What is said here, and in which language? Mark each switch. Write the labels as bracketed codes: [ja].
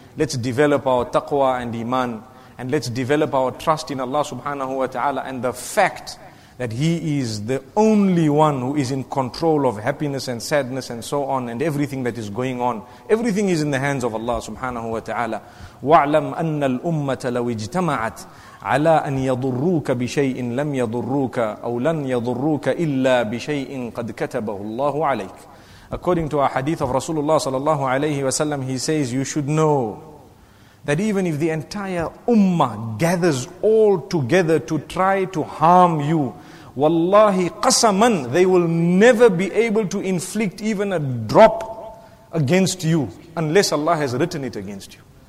[en] Let's develop our taqwa and iman, and let's develop our trust in Allah subhanahu wa ta'ala and the fact that He is the only one who is in control of happiness and sadness and so on, and everything that is going on. Everything is in the hands of Allah subhanahu wa ta'ala. [ar] وَعْلَمْ أَنَّ الْأُمَّةَ لَوِ اجْتَمَعَتْ على أن يضروك بشيء لم يضروك أو لن يضروك إلا بشيء قد كتبه الله عليك. [en] According to a hadith of Rasulullah sallallahu alayhi wa sallam, he says, you should know that even if the entire ummah gathers all together to try to harm you, wallahi qasaman, they will never be able to inflict even a drop against you unless Allah has written it against you.